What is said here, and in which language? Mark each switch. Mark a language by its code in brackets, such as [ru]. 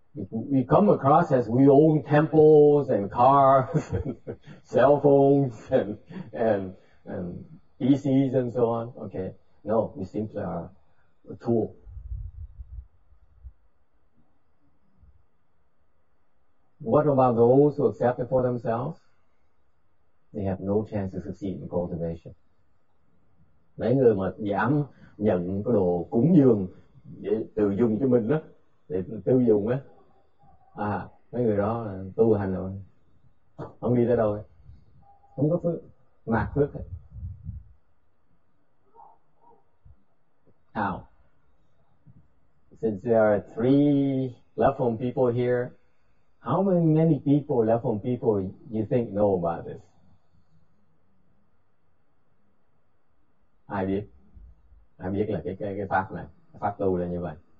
[en] We come across as we own temples and cars and cell phones and PCs and so on. Okay. No, we simply are a tool. What about those who accept it for themselves? They have no chance to succeed in cultivation. [vi] Mấy người mà dám nhận cái đồ cúng dường để tự dùng cho mình đó, để tiêu dùng á. À, mấy người đó là tu hành rồi, không đi tới đâu, không có phước, mạt phước. [en] Now, since there are three left home people here, how many people, left home people, you think know about this? [vi] Ai biết là cái pháp này, pháp tu là như vậy.